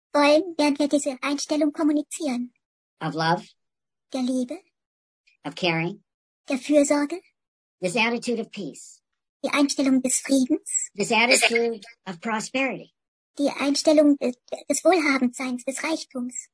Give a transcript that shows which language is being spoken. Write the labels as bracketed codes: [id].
[de] Wollen, während wir diese Einstellung kommunizieren. [en] Of love. [de] Der Liebe. [en] Of caring. [de] Der Fürsorge. [en] This attitude of peace. [de] Die Einstellung des Friedens. [en] This attitude of prosperity. [de] Die Einstellung des Wohlhabendseins, des Reichtums.